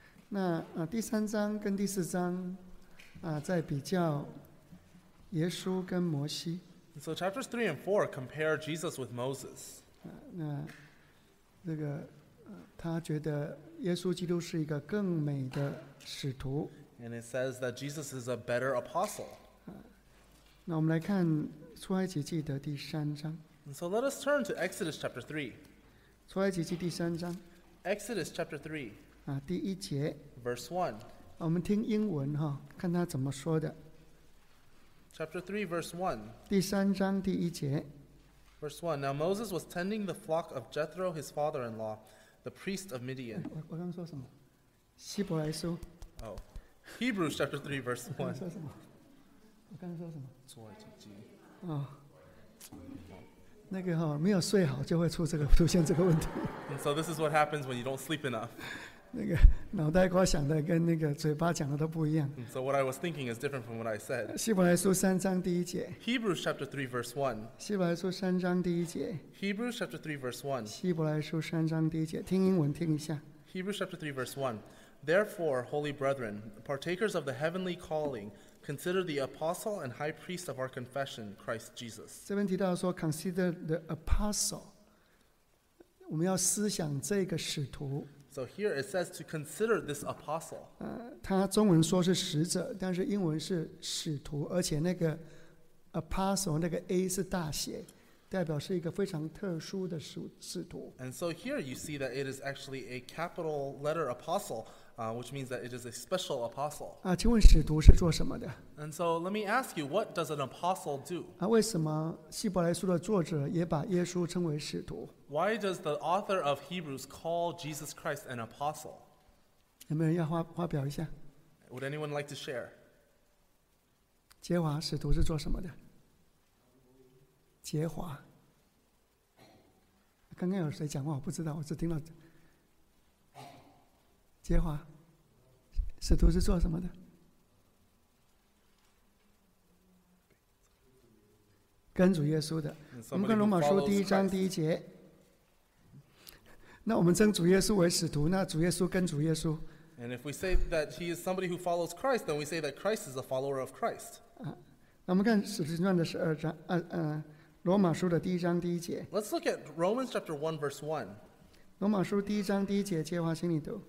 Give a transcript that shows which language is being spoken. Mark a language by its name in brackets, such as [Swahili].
[Chinese] 那第三章跟第四章在比较耶稣跟摩西。 [English] So chapters 3 and 4 compare Jesus with Moses. [Chinese] 那这个他觉得耶稣基督是一个更美的使徒。 [English] And it says that Jesus is a better apostle. [Chinese] 那我们来看出埃及记的第三章。 [English] And so let us turn to Exodus chapter 3. [Chinese] 出埃及记第三章。 [English] Exodus chapter 3. [Chinese] 第一节。 [English] Verse 1. [Chinese] 我们听英文哈，看他怎么说的。 [English] Chapter 3, verse 1. [Chinese] 第三章第一节。 [English] Verse 1. Now Moses was tending the flock of Jethro, his father-in-law. The priest of Midian. [Chinese] 我刚说什么？希伯来书。 [English] Oh, Hebrews chapter 3 verse 1. [Chinese] 说什么？我刚说什么？出埃及记。那个哈，没有睡好就会出现这个问题。 [English] And so this is what happens when you don't sleep enough. [Chinese] 那个脑袋瓜想的跟那个嘴巴讲的都不一样。 [English] And so what I was thinking is different from what I said. [Chinese] 希伯来书三章第一节。 [English] Hebrews chapter 3 verse 1. [Chinese] 希伯来书三章第一节。 [English] Hebrews chapter 3 verse 1. [Chinese] 希伯来书三章第一节，听英文听一下。 [English] Hebrews chapter 3 verse 1. Therefore, holy brethren, partakers of the heavenly calling, consider the apostle and high priest of our confession, Christ Jesus. [Chinese] 这边提到说 [English] consider the apostle. [Chinese] 我们要思想这个使徒。 [English] So here it says to consider this apostle. [Chinese] 他中文说是使者，但是英文是使徒，而且那个 apostle 那个 A 是大写，代表是一个非常特殊的使徒。 [English] And so here you see that it is actually a capital letter apostle, which means that it is a special apostle. [Chinese] 请问使徒是做什么的？ [English] And so let me ask you, what does an apostle do? [Chinese] 为什么希伯来书的作者也把耶稣称为使徒？ [English] Why does the author of Hebrews call Jesus Christ an apostle? [Chinese] 有没有人要发表一下？ [English] Would anyone like to share? [Chinese] 杰华使徒是做什么的？杰华，刚刚有谁讲话？我不知道，我只听到杰华使徒是做什么的？跟主耶稣的。我们看罗马书第一章第一节。那我们称主耶稣为使徒，那主耶稣跟主耶稣。 [English] And if we say that he is somebody who follows Christ, then we say that Christ is a follower of Christ. [Chinese] 那我们看使徒行传的十二章，罗马书的第一章第一节。 [English] Let's look at Romans chapter 1 verse 1. [Chinese] 罗马书第一章第一节，接话请你读。